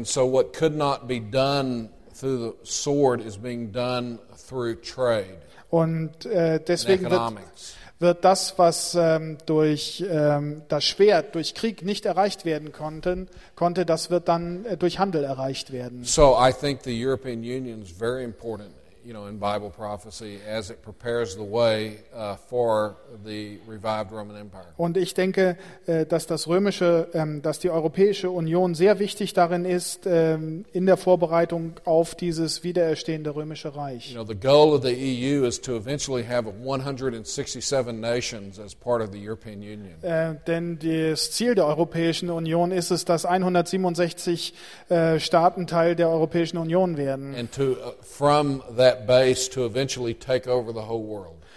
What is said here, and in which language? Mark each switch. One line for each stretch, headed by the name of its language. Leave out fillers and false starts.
English: And so what could not be done through the sword is being done through trade.
German: Und deswegen wird das, was durch das Schwert, durch Krieg nicht erreicht werden konnte, das wird dann durch Handel erreicht werden.
English: So I think the European Union is very important, you know, in Bible prophecy as it prepares the way for the revived Roman Empire.
German: Und ich denke, dass das römische dass die Europäische Union sehr wichtig darin ist in der Vorbereitung auf dieses wiedererstehende römische Reich.
English: You know, the goal of the EU is to eventually have 167 nations as part of the European Union.
German: Denn das Ziel der Europäischen Union ist es, dass 167 Staaten Teil der Europäischen Union werden.
English: And to from that base to eventually take over the whole world.